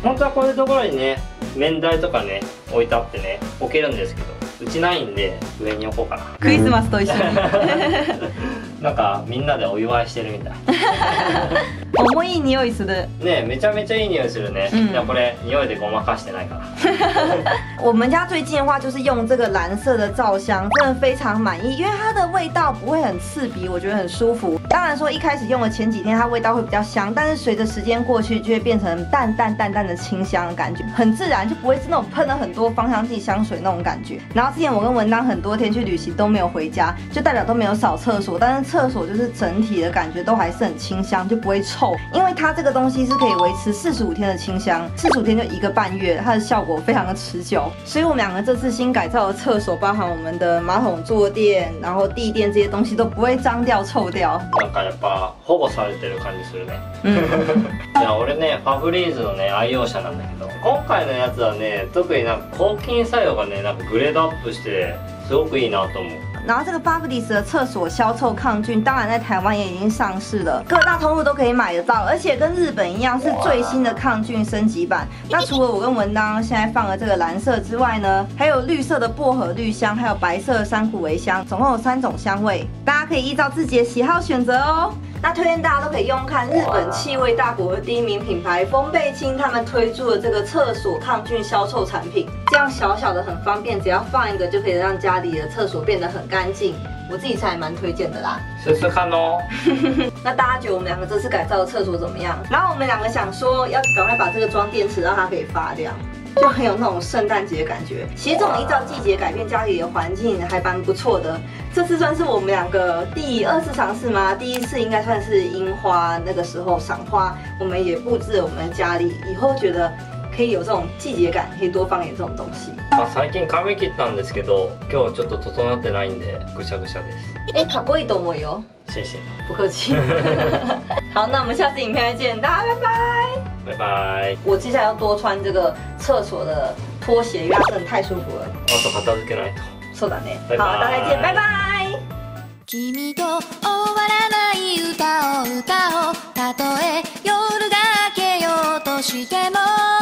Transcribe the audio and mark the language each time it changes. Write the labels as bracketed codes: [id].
[ja] 本当はこういうところにね、面台とかね、置いてあってね、置けるんですけど。うちないんで上に置こうかな。クリスマスと一緒に。なんかみんなでお祝いしてるみたい。重い匂いする。ねえ、めちゃめちゃいい匂いするね。じゃあこれ匂いでごまかしてないかな。 [zh] 我们家最近的话就是用这个蓝色的皂香，真的非常满意，因为它的味道不会很刺鼻，我觉得很舒服。当然说一开始用的前几天它味道会比较香，但是随着时间过去就会变成淡淡淡淡的清香的感觉，很自然，就不会是那种喷了很多芳香剂香水那种感觉。然后之前我跟文当很多天去旅行都没有回家，就代表都没有扫厕所，但是厕所就是整体的感觉都还是很清香，就不会臭。因为它这个东西是可以维持45天的清香，45天就一个半月，它的效果非常的持久。所以我们两个这次新改造的厕所，包含我们的马桶坐垫，然后地垫这些东西都不会脏掉臭掉。 [ja] なんかやっぱ保護されてる感じするね。いや俺ね、ファブリーズのね愛用者なんだけど、今回のやつはね、特になんか抗菌作用がね、なんかグレードアップして。すごくいいなと思う。 [zh] 然后这个 Bubbles 的厕所消臭抗菌，当然在台湾也已经上市了，各大通路都可以买得到，而且跟日本一样是最新的抗菌升级版。那除了我跟文当现在放的这个蓝色之外呢，还有绿色的薄荷绿香，还有白色的珊瑚微香，总共有三种香味，大家可以依照自己的喜好选择哦。那推荐大家都可以用看日本气味大国的第一名品牌丰贝清他们推出的这个厕所抗菌消臭产品，这样小小的很方便，只要放一个就可以让家里的厕所变得很干净，我自己才蛮推荐的啦，试试看哦。那大家觉得我们两个这次改造的厕所怎么样？然后我们两个想说要赶快把这个装电池让它可以发亮，就很有那种圣诞节的感觉。其实这种依照季节改变家里的环境还蛮不错的。这次算是我们两个第二次尝试吗？第一次应该算是樱花那个时候赏花，我们也布置了我们家里，以后觉得可以有这种季节感，可以多放点这种东西。 [ja] 啊，最近髪切ったんですけど、今日ちょっと整ってないんでぐしゃぐしゃです。欸，かっこいいと思うよ。 [zh] 谢谢。不客气。好，那我们下次影片再见，大家拜拜。拜拜。我接下来要多穿这个厕所的拖鞋，因为它真的太舒服了。 [ja] あと片付けないと。そうだね。バイバイ。 [zh] 好，大家再见，拜拜。 [ja] 君と終わらない歌を歌おう。たとえ夜が明けようとしても。